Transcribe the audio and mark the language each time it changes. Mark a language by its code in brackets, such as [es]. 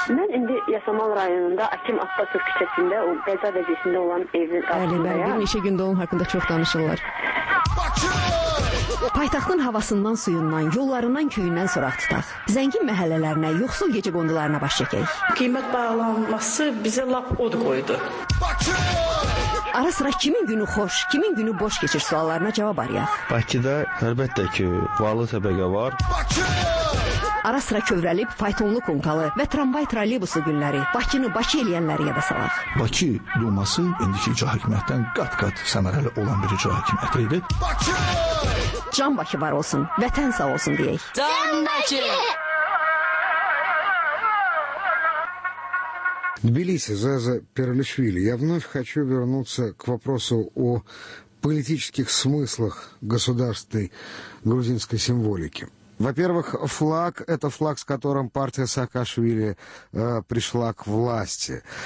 [az] Mən indi Yasamal rayonunda Akim Abbasov küçəsində, o qəza vəziyyətində olan evin qarşısındayam. Bəli, bir neçə gündə onun haqqında çox danışırlar. Bakı! Paytaxtın havasından, suyundan, yollarından, köyündən soraq tutaq. Zəngin məhəllələrinə, yoxsul gecə qondularına baş çəkək. Qiymət bağlanması bizə lap od qoydu. Bakı! Ara sıra kimin günü xoş, kimin günü boş keçir suallarına cavab arayaq. Bakıda əlbəttə ki, varlı təbəqə var. Bakı! Ara sıra kövrəlib, faytonlu konkalı və tramvay trolleybusu günləri Bakını Bakı eləyənləri yada salaq. Bakı Duması indiki icra hakimiyyətdən qat-qat səmərəli olan bir icra hakimiyyəti idi. Bakı! Can Bakı var olsun, vətən sağ olsun deyək. Can Bakı! [ru] Тбилиси, Заза Перлишвили. Я вновь хочу вернуться к вопросу о политических смыслах государственной грузинской символики. Во-первых, флаг – это флаг, с которым партия Саакашвили пришла к власти.